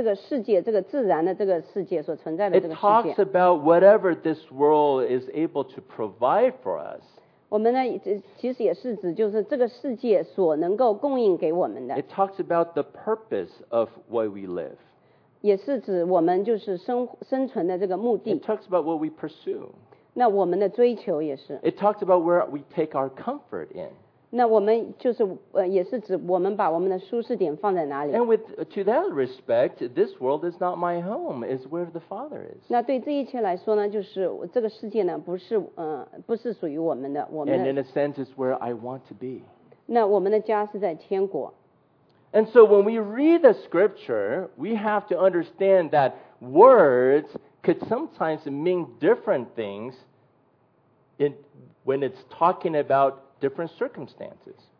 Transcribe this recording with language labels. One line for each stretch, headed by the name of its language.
Chinese: 我们呢，并不是说在这个，我们并不是在说这个世界，这个自然的这个世界所存在的这个世界。
English: It talks about whatever this world is able to provide for us.
Chinese: 我们呢，其实也是指就是这个世界所能够供应给我们的。
English: It talks about the purpose of why we live.
Chinese: 也是指我们就是生存的这个目的。
English: It talks about what we pursue.
Chinese: 那我们的追求也是。
English: It talks about where we take our comfort in.
Chinese: 那我们就是也是指我们把我们的舒适点放在哪里。
English: And to that respect, this world is not my home, it's where the Father is.
Chinese: 那对这一切来说呢，就是这个世界呢，不是属于我们的。
English: And in a sense, it's where I want to be.
Chinese: 那我们的家是在天国。
English: And so when we read the scripture, we have to understand that words could sometimes mean different things when it's talking about different circumstances.